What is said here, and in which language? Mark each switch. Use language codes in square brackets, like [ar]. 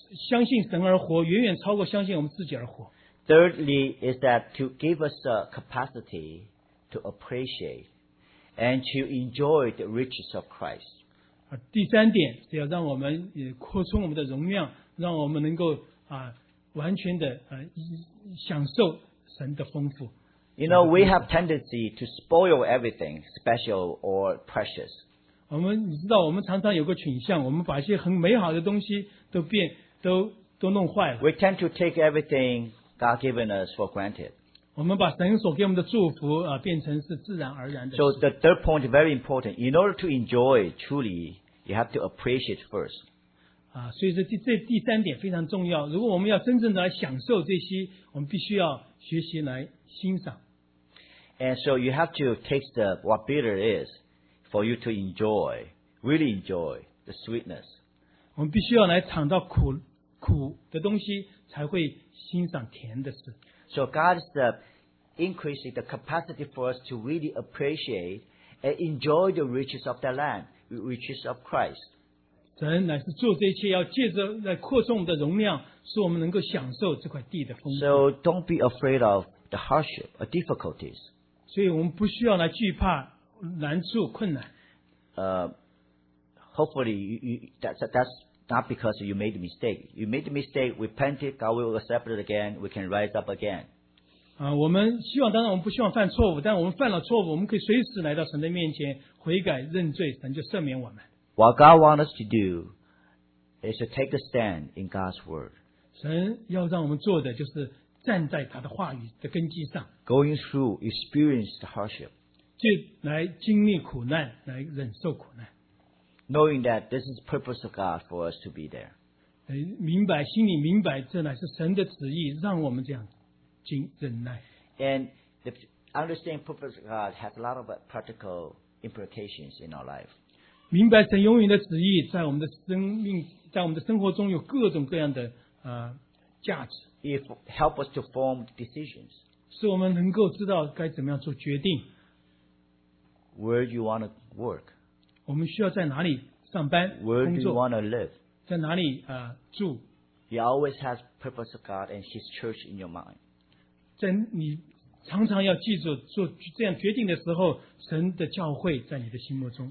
[zh] 让我们实在是能够认识到，我们靠着相信神而活，远远超过相信我们自己而活。 [en] Thirdly, is that to give us the capacity to appreciate and to enjoy the riches of Christ. [zh] 第三点是要让我们扩充我们的容量，让我们能够完全的享受神的丰富。 [en] You know, we have tendency to spoil everything special or precious. [zh] 我们知道，我们常常有个倾向，我们把一些很美好的东西都弄坏了。 [en] We tend to take everything God given us for granted. [zh] 我们把神所给我们的祝福变成是自然而然的。 [en] So the third point is very important. In order to enjoy truly, you have to appreciate first. [zh] 所以这第三点非常重要。如果我们要真正的来享受这些，我们必须要学习来欣赏。 [en] And so you have to taste what bitter is for you to enjoy, really enjoy the sweetness. [zh] 我们必须要来尝到苦苦的东西，才会欣赏甜的事。 [en] So God is increasing the capacity for us to really appreciate and enjoy the riches of the land, the riches of Christ. [zh] 神乃是做这一切，要借着来扩充我们的容量，使我们能够享受这块地的丰富。 [en] So don't be afraid of the hardship or difficulties. [zh] 所以我们不需要来惧怕难处困难。 [en] Hopefully, that's not because you made a mistake. You made a mistake, repented, God will accept it again, we can rise up again. [zh] 我们希望，当然我们不希望犯错误，但我们犯了错误，我们可以随时来到神的面前悔改认罪，神就赦免我们。 [en] What God wants us to do is to take a stand in God's word. [zh] 神要让我们做的就是站在他的话语的根基上。 [en] Going through, experience the hardship. [zh] 就来经历苦难，来忍受苦难。 [en] Knowing that this is the purpose of God for us to be there. [zh] 明白，心里明白，这乃是神的旨意，让我们这样经忍耐。 [en] And the understanding the purpose of God has a lot of practical implications in our life. [zh] 明白神永远的旨意，在我们的生命，在我们的生活中有各种各样的价值。 [en] It helps us to form decisions. [zh] 使我们能够知道该怎么样做决定。 [en] Where do you want to work? [zh] 我们需要在哪里上班 [en] Where do you want to live? [zh] 在哪里住 [en] He always has purpose of God and His church in your mind. [zh] 在你常常要记住做这样决定的时候，神的教会在你的心目中。